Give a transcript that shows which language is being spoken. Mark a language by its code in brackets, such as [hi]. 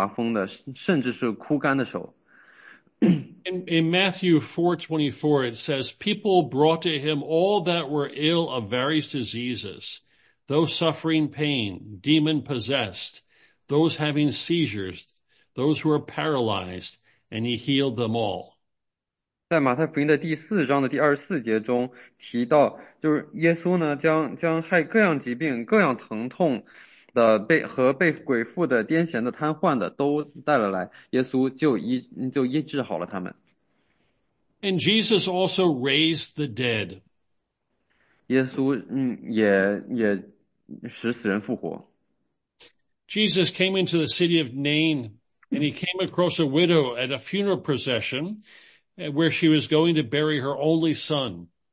[zh] 耶稣并没有只是说去医治那些什么这个后背疼或者头疼，他甚至医治了那些很严重的疾病，像是眼瞎的、耳聋的、甚至瘸腿的、得大麻风的，甚至是枯干的手。 [en] In Matthew 4:24, it says, people brought to him all that were ill of various diseases, those suffering pain, demon-possessed, those having seizures, those who are paralyzed, and he healed them all. [zh] 在马太福音的第四章的第24节中提到，就是耶稣呢，将害各样疾病、各样疼痛的被和被鬼附的癫痫的瘫痪的都带了来，耶稣就医治好了他们。 [en] And Jesus also raised the dead. [zh] 耶稣也使死人复活。 [en] Jesus came into the city of Nain, and he came across a widow at a funeral procession where she was going to bury her only son.